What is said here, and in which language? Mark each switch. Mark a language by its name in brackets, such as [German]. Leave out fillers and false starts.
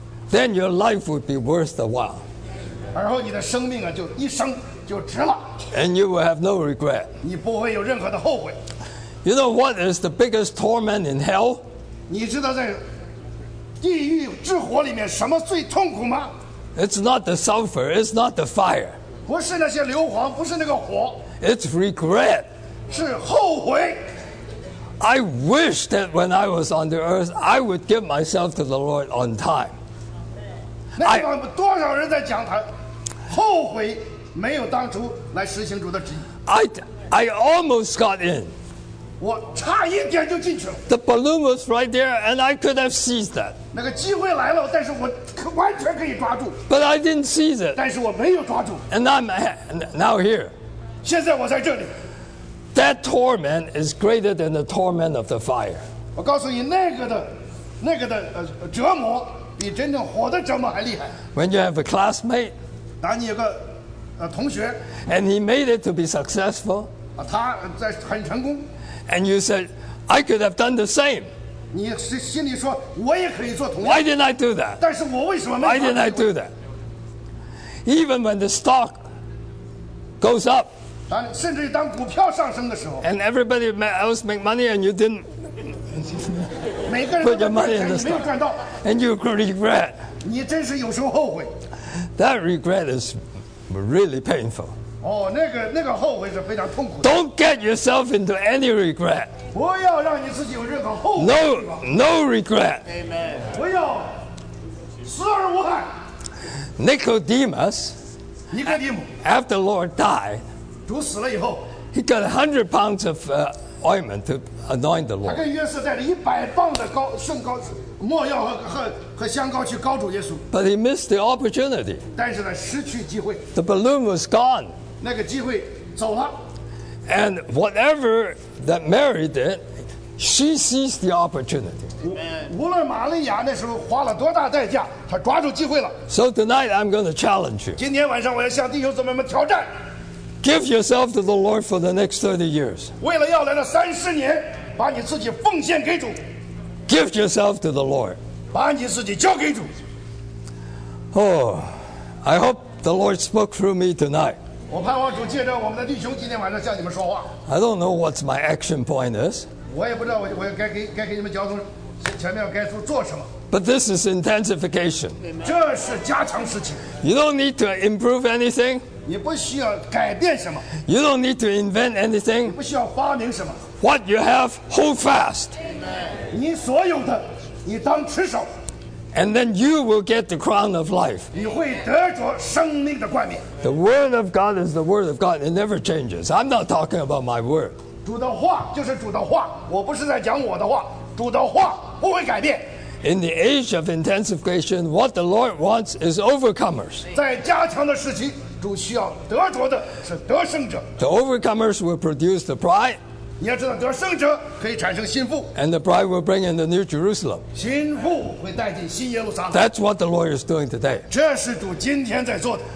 [English] Then your life would be worth the while. [Chinese] 然后你的生命啊，就一生。 [English] And you will have no regret. You know what is the biggest torment in hell? [Chinese] 你知道在地狱之火里面什么最痛苦吗？ [English] It's not the sulfur. It's not the fire. [Chinese] 不是那些硫磺，不是那个火。 [English] It's regret. [Chinese] 是后悔。 [English] I wish that when I was on the earth, I would give myself to the Lord on time. [Chinese] 那地方多少人在讲他后悔。没有当初来实行主的旨意。 [English] I almost got in. [Chinese] 我差一点就进去了。 [English] The balloon was right there, and I could have seized that. [Chinese] 那个机会来了，但是我完全可以抓住。 [English] But I didn't seize it. [Chinese] 但是我没有抓住。 [English] And I'm now here. [Chinese] 现在我在这里。 [English] That torment is greater than the torment of the fire. [Chinese] 我告诉你，那个的折磨比真正火的折磨还厉害。 [English] When you have a classmate, [Chinese] 当你有个同学 [English] and he made it to be successful. [Chinese] 他在很成功 [English] and you said, I could have done the same. [Chinese] 你心里说我也可以做同样 [English] Why didn't I do that? [Chinese] 但是我为什么没 [English] Why didn't I do that? Even when the stock goes up, [Chinese] 甚至当股票上升的时候 [English] and everybody else make money and you didn't [Chinese] 每个人 [English] put your money in the stock, [Chinese] 没有赚到 [English] and you regret. [Chinese] 你真是有时候后悔 [English] That regret is. Really painful. [Chinese] Oh, 那个后悔是非常痛苦的。 [English] Don't get yourself into any regret. [Chinese] 不要让你自己有任何后悔。 [English] No regret. Amen. [Chinese] 不要，死而无憾。 [English] Nicodemus, [Chinese] 尼哥底母 [English] after the Lord died, [Chinese] 主死了以后 [English] he got 100 pounds of ointment to anoint the Lord. [Chinese] 他跟约瑟带着100磅的膏圣膏。莫要和香膏去膏主耶稣。 [English] But he missed the opportunity. [Chinese] 但是呢，失去机会。 [English] The balloon was gone. [Chinese] 那个机会走了。 [English] And whatever that Mary did, she seized the opportunity. [Chinese] 无论玛利亚那时候花了多大代价，她抓住机会了。 [English] So tonight I'm going to challenge you. [Chinese] 今天晚上我要向弟兄姊妹们挑战。 [English] Give yourself to the Lord for the next 30 years. [Chinese] 为了要来的三十年，把你自己奉献给主。 [English] Give yourself to the Lord. [Chinese] 把你自己交给主。 [English] Oh, I hope the Lord spoke through me tonight. [Chinese] 我盼望主借着我们的弟兄今天晚上向你们说话。 [English] I don't know what my action point is. [Chinese] 我也不知道我该给你们交通前面该做什么。 [English] But this is intensification. [Chinese] 这是加强事情。 [English] You don't need to improve anything. [Chinese] 你不需要改变什么。 [English] You don't need to invent anything. [Chinese] 你不需要发明什么。 [English] what you have, hold fast. [Chinese] 你所有的，你当持守。 [English] And then you will get the crown of life. [Chinese] 你会得着生命的冠冕。 [English] The word of God is the word of God. It never changes. I'm not talking about my word. [Chinese] 主的话就是主的话，我不是在讲我的话。主的话不会改变。 [English] In the age of intensification, what the Lord wants is overcomers. [Chinese] 在加强的时期，主需要得着的是得胜者。 [English] The overcomers will produce the bride. [Chinese] 你要知道，得胜者可以产生心腹。 [English] And the bride will bring in the new Jerusalem. [Chinese] 心腹会带进新耶路撒冷。 [English] That's what the Lord is doing today. [Chinese] 这是主今天在做的。